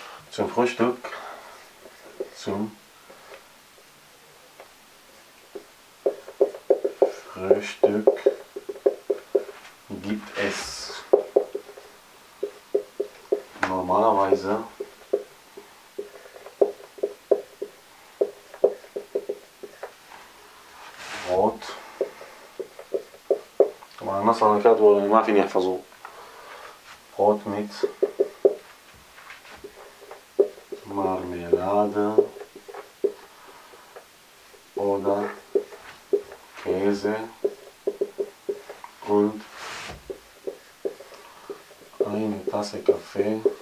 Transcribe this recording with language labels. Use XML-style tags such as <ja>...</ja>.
<de>zum Frühstück zum Frühstück gibt es normalerweise Brot.</de> <ar>طبعا النص انا كاتبه ما فيني احفظه.</ar> <de>Brot mit Marmelade oder Käse und eine Tasse Kaffee.</de>